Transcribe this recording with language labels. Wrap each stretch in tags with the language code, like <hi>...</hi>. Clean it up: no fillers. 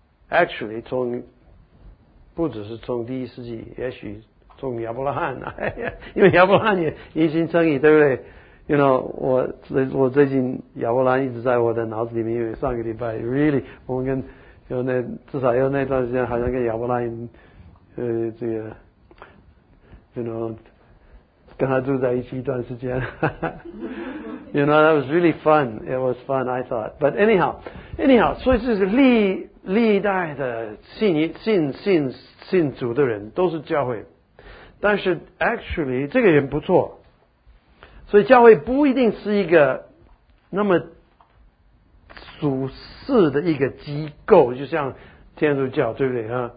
<zh>Actually, 从不只是从第一世纪，也许从亚伯拉罕，因为亚伯拉罕也已经称义，对不对？ You know, 我最近亚伯拉罕一直在我的脑子里面，因为上个礼拜 really 我们跟有那至少有那段时间好像跟亚伯拉罕这个 you know 跟他住在一起一段时间。</zh> <en>You know, that was really fun. It was fun, I thought.</en> <zh>But anyhow, 所以这是历代的信主的人都是教会。但是 actually, 这个人不错。所以教会不一定是一个那么属世的一个机构，就像天主教，对不对？</zh>